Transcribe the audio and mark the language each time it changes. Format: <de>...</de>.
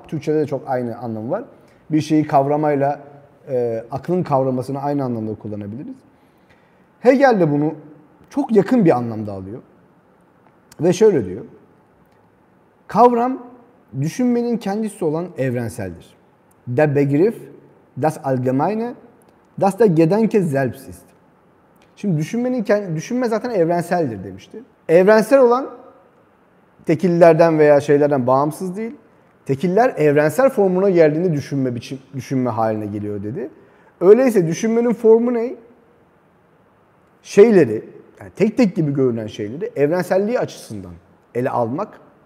<tr>Türkçede de çok aynı anlamı var. Bir şeyi kavramayla aklın kavramasını aynı anlamda kullanabiliriz. Hegel de bunu çok yakın bir anlamda alıyor. Ve şöyle diyor. Kavram düşünmenin kendisi olan evrenseldir.</tr> <de>Der Begriff, das Allgemeine, das der Gedanke selbst ist.</de> <tr>Şimdi düşünme zaten evrenseldir demişti. Evrensel olan tekillerden veya şeylerden bağımsız değil. Tekiller evrensel formuna geldiğinde düşünme haline geliyor dedi. Öyleyse düşünmenin formu ne? Şeyleri, yani tek tek gibi görünen şeyleri evrenselliği açısından ele almak.</tr>